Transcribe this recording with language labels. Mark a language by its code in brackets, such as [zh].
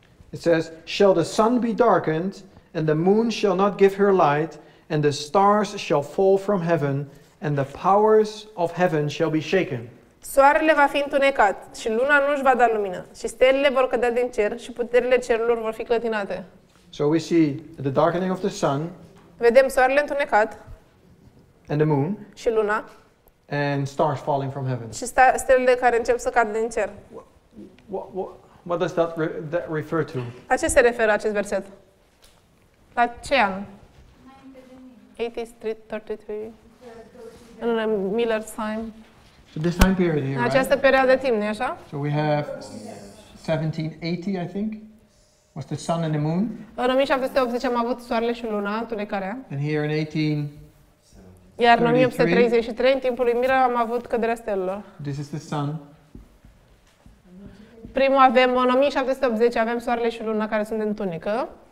[en] It says, shall the sun be darkened? And the moon shall not give her light, and the stars shall fall from heaven, and the powers of heaven shall be shaken. [ro] Soarele va fi întunecat, și luna nu își va da lumină, și stelele vor cădea din cer, și puterile cerurilor vor fi clătinate. [en] So we see the darkening of the sun. [ro] Vedem soarele întunecat. [en] And the moon. [ro] Și luna. [en] And stars falling from heaven. [ro] Și stelele care încep să cadă din cer. [en] What does that refer to? [ro] A ce se referă acest verset? La ce an? [en] 80 Street 33, in Miller's time. So this time period here, [ro] această [en] right? [ro] perioadă timp, nu-i așa? [en] So we have 1780, I think, was the sun and the moon. [ro] În 1780 am avut soarele și luna, întunecarea. [en] And here in 1833. [ro] Iar în 1833, în timpul lui Miller, am avut căderea stelelor. [en] This is the sun. [ro] Primul avem, în 1780 avem soarele și luna care sunt întunecă.